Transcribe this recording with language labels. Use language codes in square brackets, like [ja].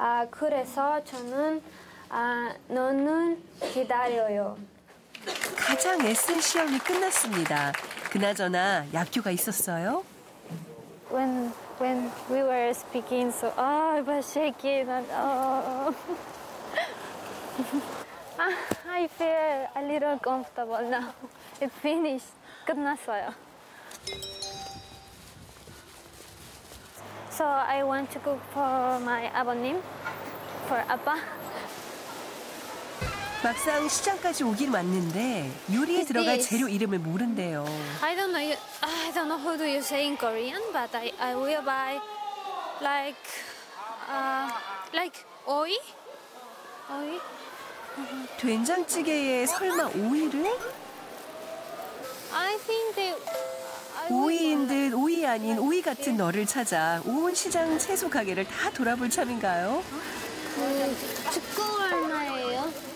[ko] 그래서 저는 눈을 기다려요. 가장 애쓴 시험이 끝났습니다. 그나저나 약효가 있었어요? [en] When we were speaking, so I was shaking and I feel a little comfortable now. It finished. [ko] 끝났어요. [en] So I want to cook for my 아버님, for 아빠. [ko] 막상 시장까지 오길 왔는데 요리에 들어갈 재료 이름을 모른대요. [en] I don't know who do you say in Korean, but I will buy like oi? [ko] Oi? 된장찌개에 설마 오이를? [en] I think they [ko] 오이인 듯 오이 아닌 오이 같은 너를 찾아 온 시장 채소 가게를 다 돌아볼 참인가요? 주꾸 얼마예요?